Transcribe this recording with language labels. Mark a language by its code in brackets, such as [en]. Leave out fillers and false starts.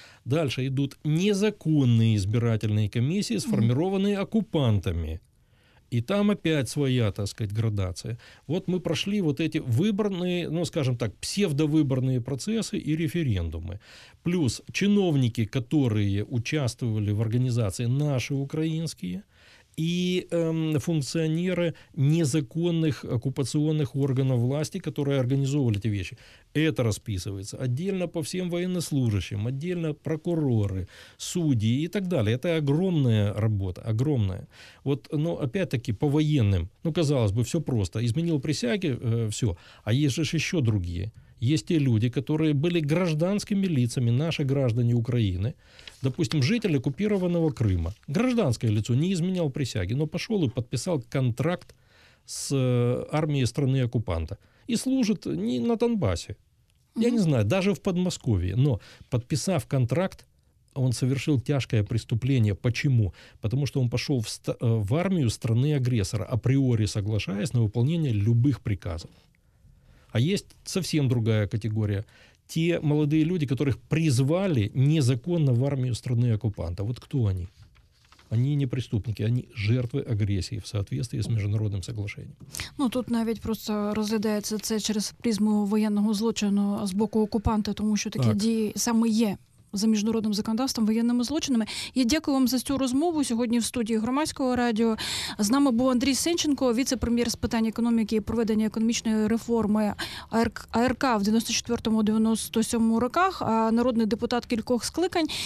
[ru] Дальше идут незаконные избирательные комиссии, сформированные оккупантами. И там опять своя, так сказать, градация. Вот мы прошли вот эти выборные, ну, скажем так, псевдовыборные процессы и референдумы. Плюс чиновники, которые участвовали в организации наши украинские, [uk] і функціонери незаконних окупаційних органів влади, які організовували ці речі. Це розписується. Віддільно по всім військовослужащим, віддільно прокурори, судді і так далі. Це огромна робота, огромна. От, ну, опять-таки, по воєнним, ну, казалось би, все просто. Змінив присяги, все. А є ж ще інші. Є ті люди, які були гражданськими лицами, наші граждане України, допустим, жителі окупованого Криму. Гражданське лицо, не змінив присяги, але пішов і підписав контракт з армією країни-окупанта. І служить не на Донбасі, я не знаю, навіть в Подмосков'ї. Але підписав контракт, він совершив тяжке преступление. Почему? Тому що він пішов в армію країни-агресора, апріорі соглашаясь на виконання будь-яких приказів. [ru] А есть совсем другая категория. Те молодые люди, которых призвали незаконно в армию страны оккупанта. Вот кто они? Они не преступники, они жертвы агрессии в соответствии с международным соглашением. [uk] Ну, тут навіть просто розглядається це через призму воєнного злочину з боку окупанта, тому що такі дії саме є за міжнародним законодавством, воєнними злочинами. Я дякую вам за цю розмову. Сьогодні в студії Громадського радіо з нами був Андрій Сенченко, віце-прем'єр з питань економіки і проведення економічної реформи АРК в 94-97 роках, народний депутат кількох скликань.